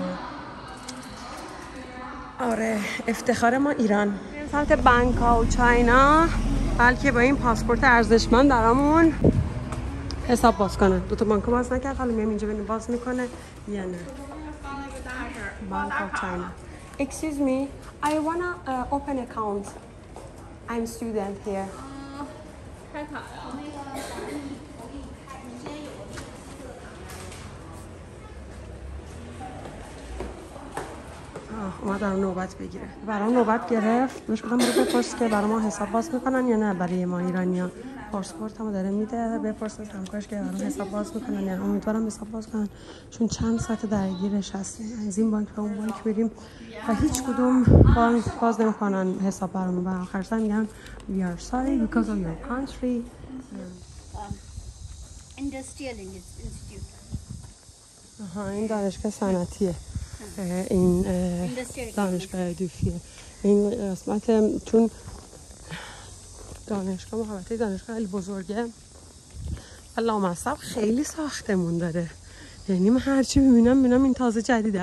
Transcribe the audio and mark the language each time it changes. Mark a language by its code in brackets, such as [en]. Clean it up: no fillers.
[fa] یعنی آره، افتخار ما ایران. سمت بانک و چاینا، بلکه با این پاسپورت ارزشمند برامون حساب باز کنه. دو تا بانک باز نکرد، حالا میام اینجا ببینم باز میکنه یا نه. بانک و چاینا. [en] Excuse me, I wanna open account. I'm student here. [fa] اومدن نوبت بگیره، برام نوبت گرفت. بهش گفتم برو بپرس که برام حساب باز میکنن یا نه. برای ما ایرانیا پاسپورتمو داره میده، بپرس از همکارش که برام حساب باز میکنن یا نه. امیدوارم حساب باز کنن، چون چند ساعت درگیرش هستیم از این بانک به اون بانک بریم و هیچ کدوم بانک باز نمیکنن حساب برام. و آخر سر میگن [en] we are sorry because of your country industrial institute. [fa] آها، این دانشگاه صنعتیه، این دانشگاه دوفیه. این قسمت چون دانشگاه محبته دانشگاه خیلی بزرگه و لامصب خیلی ساختمون داره، یعنی من هرچی میبینم میبینم این تازه جدیده.